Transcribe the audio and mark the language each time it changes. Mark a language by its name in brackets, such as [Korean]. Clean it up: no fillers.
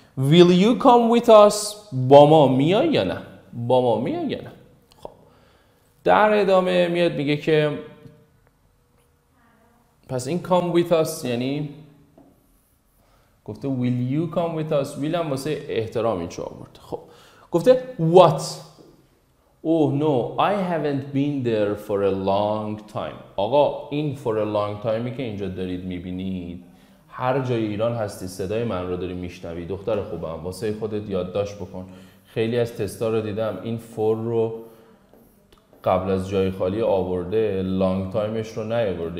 [English] Will you come with us؟ [Persian] با ما میای یا نه؟ با ما میای یا نه؟ خب در ادامه میاد میگه که پس این [English] come with us [Persian] یعنی گفته [English] will you come with us؟ [Persian] will هم واسه احترام اینچه آورد. خب گفته [English] what؟ oh no I haven't been there for a long time. [Persian] آقا این [English] for a long time [Persian] ی که اینجا دارید میبینید، هر جای ایران هستی صدای من رو داری میشنوی، دختر خوبم واسه خودت یادداشت بکن. خیلی از تستا رو دیدم این for رو قبل از جای خالی آورده، long timeش رو نیاورده.